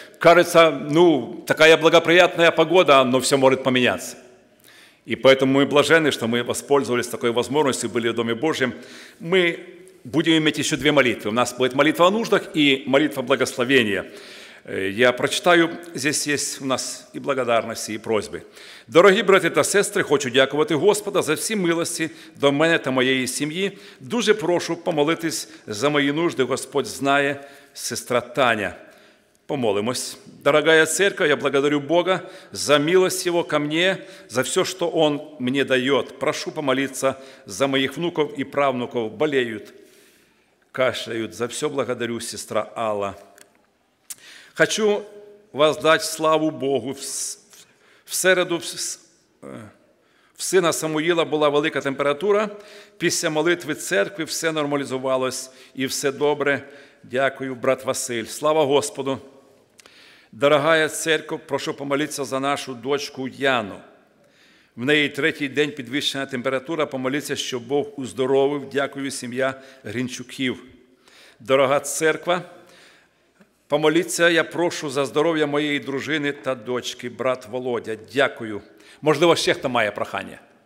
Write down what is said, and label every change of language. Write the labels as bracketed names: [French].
[Russian] Кажется, ну, такая благоприятная погода, но все может поменяться. И поэтому мы блаженны, что мы воспользовались такой возможностью, были в Доме Божьем. Мы будем иметь еще две молитвы. У нас будет молитва о нуждах и молитва благословения. Я прочитаю, здесь есть у нас и благодарности, и просьбы. [Ukrainian] Дорогі брати та сестри, хочу дякувати Господа за всі милості до мене та моєї сім'ї. Дуже прошу помолитись за мої нужди, Господь знає, сестра Таня. Помолимось. [Russian] Дорогая церковь, я благодарю Бога за милость Его ко мне, за все, что Он мне дает. Прошу помолиться за моих внуков и правнуков. Болеют, кашляют. За все благодарю, сестра Алла. Хочу воздать славу Богу. [Ukrainian] В середу в сына Самуїла була велика температура. Після молитви церкви все нормалізувалось і все добре. Дякую, брат Василь. Слава Господу! [Russian] Дорогая церковь, прошу помолиться за нашу дочку Яну. [Ukrainian] В неї третій день підвищена температура. Помоліться, щоб Бог уздоровив. Дякую, сім'я Грінчуків. Дорога церква, помоліться, я прошу за здоров'я моєї дружини та дочки, брат Володя. Дякую. Можливо, ще хто має прохання?